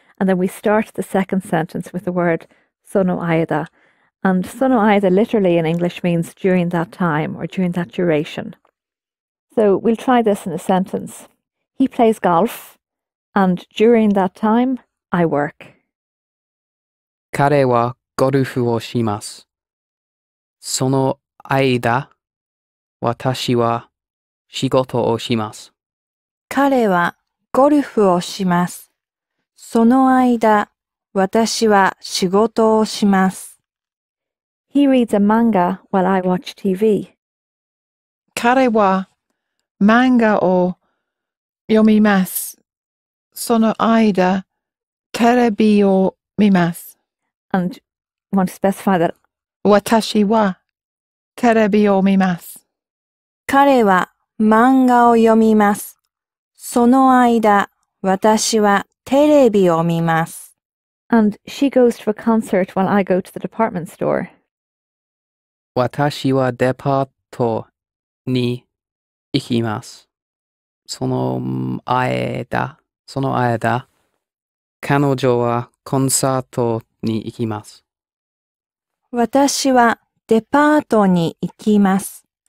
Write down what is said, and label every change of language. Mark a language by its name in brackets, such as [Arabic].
[English] And then we start the second sentence with the word sono aida. And sono aida literally in English means during that time or during that duration. So we'll try this in a sentence. He plays golf, and during that time, I work. [Japanese] 彼はゴルフをします。その間、私は仕事をします。彼はゴルフをします。その間、私は仕事をします。 [English] He reads a manga while I watch TV. [Japanese] 彼は漫画を読みます。その間、テレビを見ます。 [English] And I want to specify that. [Japanese] 私はテレビを見ます。彼は漫画を読みます。その間、私はテレビを見ます。 [English] And she goes to a concert while I go to the department store. [Japanese] 私はデパートに行きます。その間、彼女はコンサートに行きます。私はデパートに行きます。